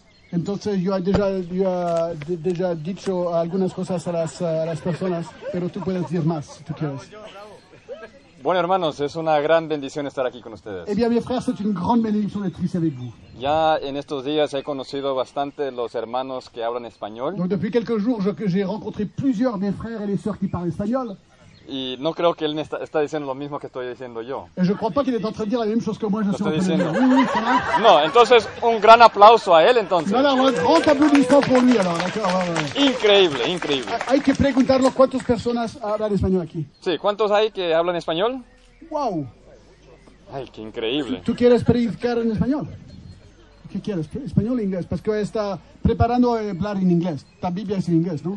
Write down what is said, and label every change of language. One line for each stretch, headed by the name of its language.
Spanish: Entonces yo ha dicho algunas cosas a las personas, pero tú puedes decir más si tú quieres. Bueno, hermanos, es una gran bendición estar aquí con ustedes.
French: Eh bien, mes frères, c'est une grande bénédiction d'être ici avec vous.
Spanish: Ya en estos días he conocido bastante los hermanos que hablan español.
French: Donc depuis quelques jours, j'ai rencontré plusieurs des frères et les sœurs qui parlent espagnol.
Spanish: Y no creo que él está diciendo lo mismo que estoy diciendo yo.
French: Et je crois pas qu'il est en train de dire la même chose que moi, je suis en train de dire.
Spanish: No, entonces un gran aplauso a él entonces.
French: Voilà, un grand applaudissement pour lui alors, d'accord.
Spanish: Increíble, increíble. Hay que preguntarlo cuántas personas hablan español aquí. Sí, ¿cuántos hay que hablan español? Wow. Ay, qué increíble. ¿Tú quieres predicar en español? ¿Qué quieres? ¿Español o inglés? Porque está preparando a hablar en inglés. La Biblia es en inglés, ¿no?